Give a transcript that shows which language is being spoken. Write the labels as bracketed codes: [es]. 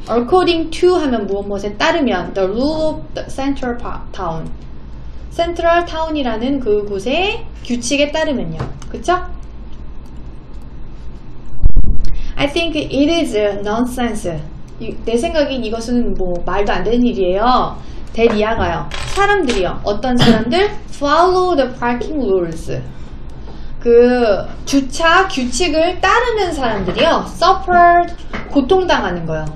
[en] According to [ko] 하면 무엇무엇에 따르면 [en] The rule of the central town. [ko] Central town이라는 그곳의 규칙에 따르면요. 그쵸? [en] I think it is nonsense. [ko] 내 생각엔 이것은 뭐 말도 안 되는 일이에요. 대리아가요. 사람들이요. 어떤 사람들? [en] Follow the parking rules. [ko] 그 주차 규칙을 따르는 사람들이요. Suffered 고통당하는 거요.